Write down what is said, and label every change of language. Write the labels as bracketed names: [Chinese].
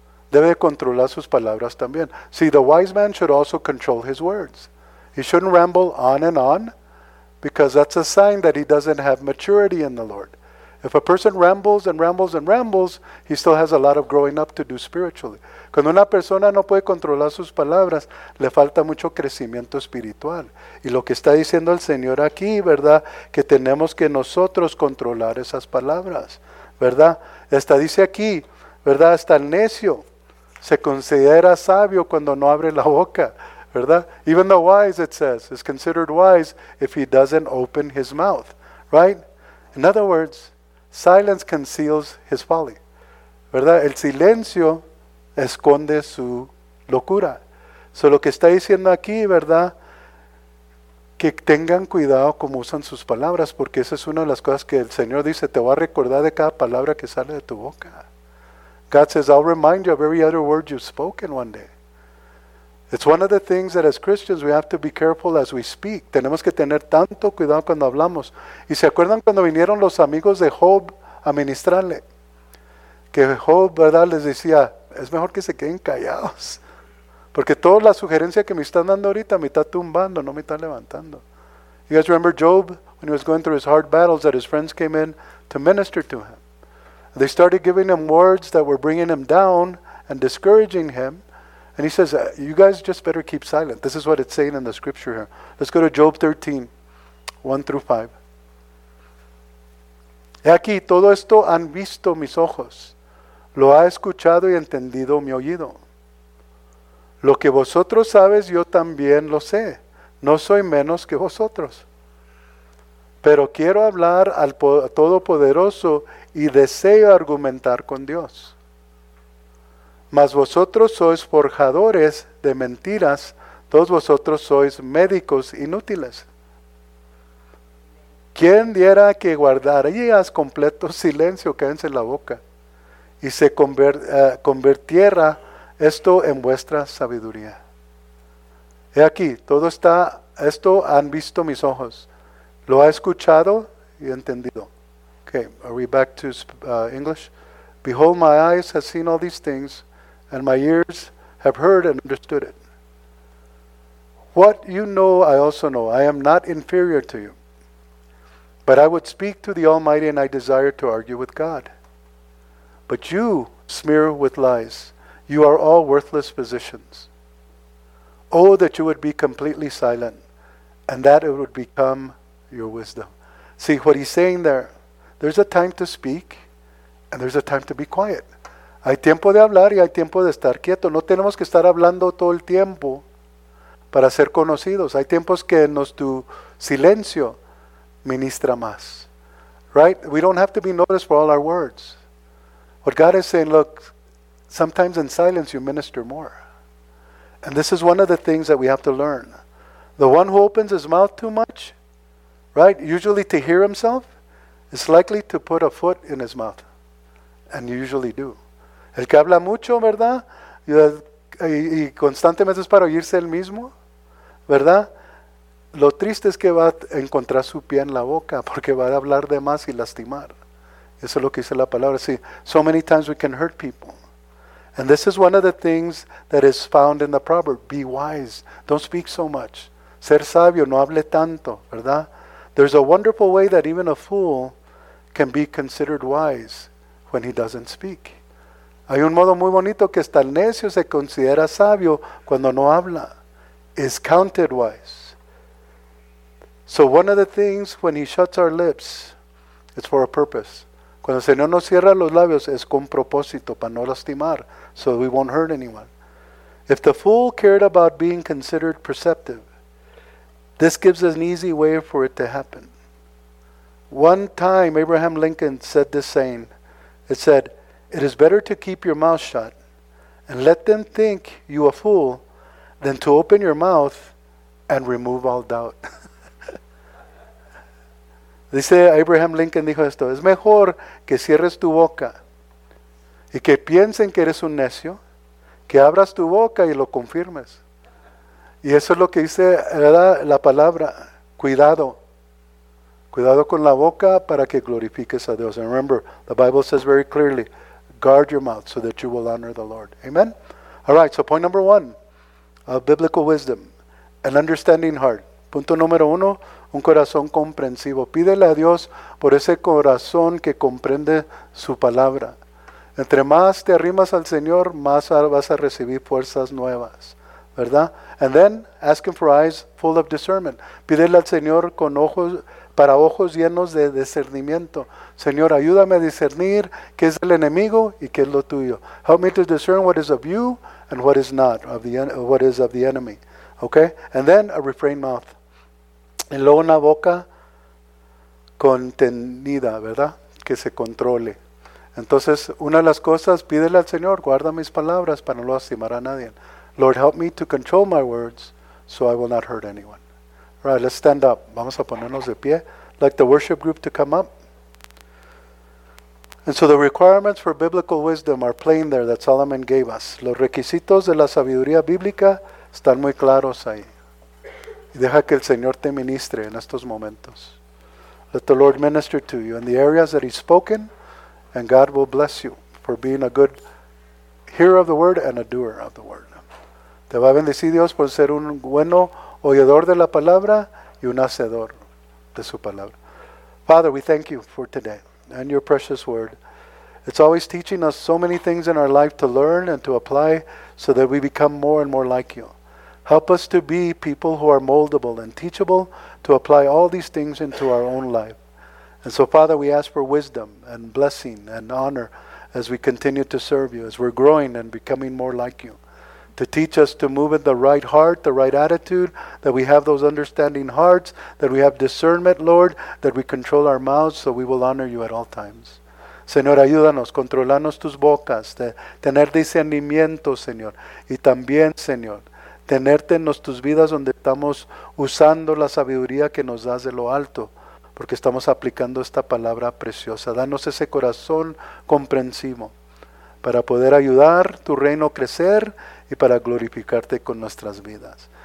[Spanish] Debe de controlar sus palabras también. [English] See, the wise man should also control his words. He shouldn't ramble on and on, because that's a sign that he doesn't have maturity in the Lord. If a person rambles and rambles and rambles, he still has a lot of growing up to do spiritually. [Spanish] Cuando una persona no puede controlar sus palabras, le falta mucho crecimiento espiritual. Y lo que está diciendo el Señor aquí, ¿verdad?, que tenemos que nosotros controlar esas palabras, ¿verdad? Hasta dice aquí, ¿verdad?, hasta el necio se considera sabio cuando no abre la boca, ¿verdad? [English] Even the wise, it says, is considered wise if he doesn't open his mouth, right? In other words, silence conceals his folly, [Spanish] ¿verdad? El silencio esconde su locura. [English] So [Spanish] lo que está diciendo aquí, ¿verdad?, que tengan cuidado cómo usan sus palabras, porque esa es una de las cosas que el Señor dice, te va a recordar de cada palabra que sale de tu boca. [English] God says, I'll remind you of every other word you've spoken one day. It's one of the things that as Christians we have to be careful as we speak. [Spanish] Tenemos que tener tanto cuidado cuando hablamos. Y se acuerdan cuando vinieron los amigos de Job a ministrarle. Que Job, ¿verdad?, les decía, es mejor que se queden callados. Porque toda la sugerencia que me están dando ahorita me está tumbando, no me está levantando. [English] You guys remember Job, when he was going through his hard battles, that his friends came in to minister to him. They started giving him words that were bringing him down and discouraging him. And he says, you guys just better keep silent. This is what it's saying in the scripture here. Let's go to Job 13, 1 through 5. [Spanish] He aquí, todo esto han visto mis ojos. Lo ha escuchado y entendido mi oído. Lo que vosotros sabes, yo también lo sé. No soy menos que vosotros. Pero quiero hablar al Todopoderoso y deseo argumentar con Dios. Mas vosotros sois forjadores de mentiras, todos vosotros sois médicos inútiles. ¿Quién diera que guardarías completo silencio, cállense en la boca, y se convirtiera esto en vuestra sabiduría? He aquí, todo está, esto han visto mis ojos, lo ha escuchado y entendido. [English] Okay, are we back to English? Behold, my eyes have seen all these things, and my ears have heard and understood it. What you know, I also know. I am not inferior to you. But I would speak to the Almighty, and I desire to argue with God. But you smear with lies. You are all worthless physicians. Oh, that you would be completely silent, and that it would become your wisdom. See, what he's saying there, there's a time to speak, and there's a time to be quiet. [Spanish] Hay tiempo de hablar y hay tiempo de estar quieto. No tenemos que estar hablando todo el tiempo para ser conocidos. Hay tiempos que tu silencio ministra más. [English] Right? We don't have to be noticed for all our words. What God is saying, look, sometimes in silence you minister more. And this is one of the things that we have to learn. The one who opens his mouth too much, right, usually to hear himself, is likely to put a foot in his mouth. And you usually do. [Spanish] El que habla mucho, ¿verdad?, y constantemente es para oírse él mismo, ¿verdad? Lo triste es que va a encontrar su pie en la boca, porque va a hablar de más y lastimar. Eso es lo que dice la palabra. Sí, [English] so many times we can hurt people. And this is one of the things that is found in the proverb. Be wise. Don't speak so much. [Spanish] Ser sabio, no hable tanto, ¿verdad? [English] There's a wonderful way that even a fool can be considered wise when he doesn't speak. [Spanish] Hay un modo muy bonito que hasta el necio se considera sabio cuando no habla. [English] Is counted wise. So one of the things when he shuts our lips, it's for a purpose. [Spanish] Cuando el Señor nos cierra los labios, es con propósito, para no lastimar, [English] so we won't hurt anyone. If the fool cared about being considered perceptive, this gives us an easy way for it to happen. One time, Abraham Lincoln said this saying. It said, it is better to keep your mouth shut and let them think you a fool than to open your mouth and remove all doubt. [Spanish] Dice Abraham Lincoln, dijo esto: es mejor que cierres tu boca y que piensen que eres un necio, que abras tu boca y lo confirmes. Y eso es lo que dice la palabra, cuidado. Cuidado con la boca para que glorifiques a Dios. [English] And remember, the Bible says very clearly, guard your mouth so that you will honor the Lord. Amen? All right, so point number one, of biblical wisdom, an understanding heart. [Spanish] Punto número uno, un corazón comprensivo. Pídele a Dios por ese corazón que comprende su palabra. Entre más te arrimas al Señor, más vas a recibir fuerzas nuevas, ¿verdad? [English] And then, ask him for eyes full of discernment. [Spanish] Pídele al Señor con ojos, para ojos llenos de discernimiento. Señor, ayúdame a discernir qué es el enemigo y qué es lo tuyo. [English] Help me to discern what is of you and what is not, of the what is of the enemy. Okay? And then, a refrained mouth. [Spanish] Y luego una boca contenida, ¿verdad? Que se controle. Entonces, una de las cosas, pídele al Señor, guarda mis palabras para no lastimar a nadie. [English] Lord, help me to control my words so I will not hurt anyone. Right, let's stand up. [Spanish] Vamos a ponernos de pie. [English] I'd like the worship group to come up. And so the requirements for biblical wisdom are plain there that Solomon gave us. [Spanish] Los requisitos de la sabiduría bíblica están muy claros ahí. Y deja que el Señor te ministre en estos momentos. [English] Let the Lord minister to you in the areas that he's spoken, and God will bless you for being a good hearer of the word and a doer of the word. [Spanish] Te va a bendecir Dios por ser un bueno oyedor de la palabra y un hacedor de su palabra. [English] Father, we thank you for today and your precious word. It's always teaching us so many things in our life to learn and to apply so that we become more and more like you. Help us to be people who are moldable and teachable to apply all these things into our own life. And so, Father, we ask for wisdom and blessing and honor as we continue to serve you, as we're growing and becoming more like you. To teach us to move in the right heart, the right attitude, that we have those understanding hearts, that we have discernment, Lord, that we control our mouths so we will honor you at all times. [Spanish] Señor, ayúdanos, controlanos tus bocas, de tener discernimiento, Señor. Y también, Señor, tenerte en nuestras vidas donde estamos usando la sabiduría que nos das de lo alto, porque estamos aplicando esta palabra preciosa. Danos ese corazón comprensivo para poder ayudar tu reino a crecer y para glorificarte con nuestras vidas.